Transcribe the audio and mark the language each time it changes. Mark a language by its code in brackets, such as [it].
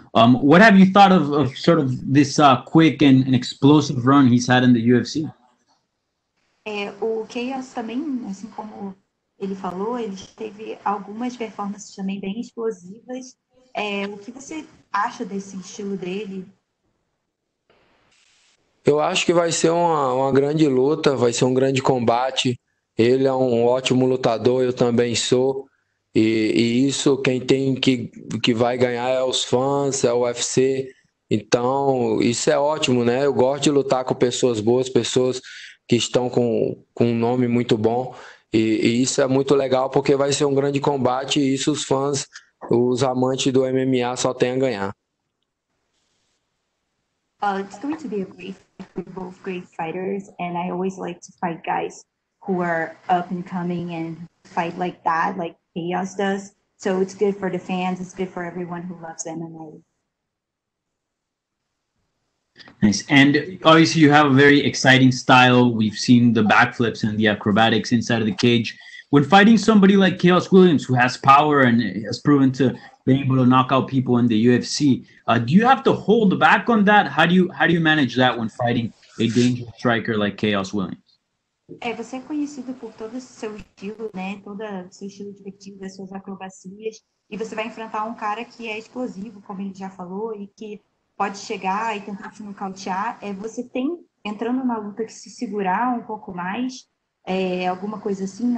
[en] What have you thought of sort of this quick and explosive run he's had in the UFC? [pt] O Chaos também, assim como ele falou, ele teve algumas performances também bem explosivas. O que você acha desse estilo dele? Eu acho que vai ser uma grande luta, vai ser um grande combate. Ele é um ótimo lutador, eu também sou. E isso quem tem que vai ganhar é os fãs, é o UFC. Então, isso é ótimo, né? Eu gosto de lutar com pessoas boas, pessoas que estão com um nome muito bom. E isso é muito legal porque vai ser um grande combate e isso os fãs, os amantes do MMA só têm a ganhar. [en] It's going to be a great fight. We're both great fighters, and I always like to fight guys who are up and coming and fight like that, like Chaos does. So it's good for the fans, it's good for everyone who loves MMA. Nice. And obviously, you have a very exciting style. We've seen the backflips and the acrobatics inside of the cage. When fighting somebody like Chaos Williams, who has power and has proven to be able to knock out people in the UFC, do you have to hold back on that? How do you manage that when fighting a dangerous striker like Chaos Williams? [pt] Você é conhecido por todo o seu estilo, né? Todo o seu estilo divertido, as suas acrobacias. E você vai enfrentar um cara que é explosivo, como ele já falou, e que pode chegar e tentar te nocautear. Você tem, entrando na luta, que se segurar um pouco mais, alguma coisa assim?